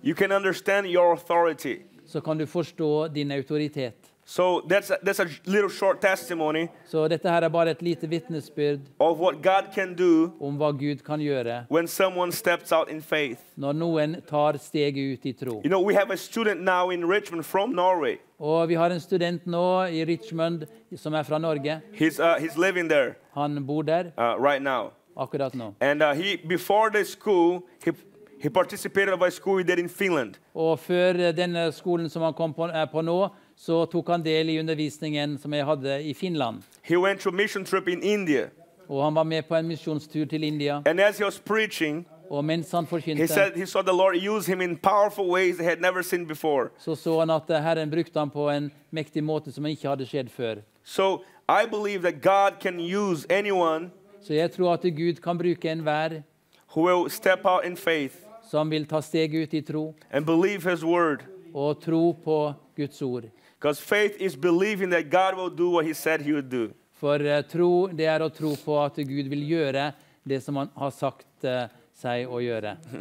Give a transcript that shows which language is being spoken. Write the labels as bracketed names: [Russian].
[English] You can understand your authority. [Norwegian] Så kan du forstå din autoritet. [English] So that's a little short testimony. [Norwegian] Så dette her er bare et lite vitnesbyrd [English] of what God can do [Norwegian] om hva Gud kan gjøre [English] when someone steps out in faith. [Norwegian] Når noen tar steget ut i tro. [English] You know, we have a student now in Richmond from Norway. [Norwegian] Og vi har en student nå i Richmond som er fra Norge. [English] He's living there. [Norwegian] Han bor der. [English] Right now. [Norwegian] Akkurat nå. [English] And he before the school he participated of a school he did in Finland. [Norwegian] Og før denne skolen som han kom på nå, så tok han del i undervisningen som jeg hadde i Finland. [English] He went to a mission trip in India. [Norwegian] Og han var med på en misjonstur til India. [English] And as he was preaching, [Norwegian] og mens han forkynte, [English] he said he saw the Lord use him in powerful ways he had never seen before. [Norwegian] Så han at Herren brukte han på en mektig måte som han ikke hadde skjedd før. [English] So I believe that God can use anyone. [Norwegian] Så jeg tror at Gud kan bruke enhver. [English] Who will step out in faith [Norwegian] som vil ta steg ut i tro [English] and believe his word. [Norwegian] Og tro på Guds ord. [English] Because faith is believing that God will do what he said he would do. [Norwegian] For tro, det er å tro på at Gud vil gjøre det som han har sagt seg å gjøre.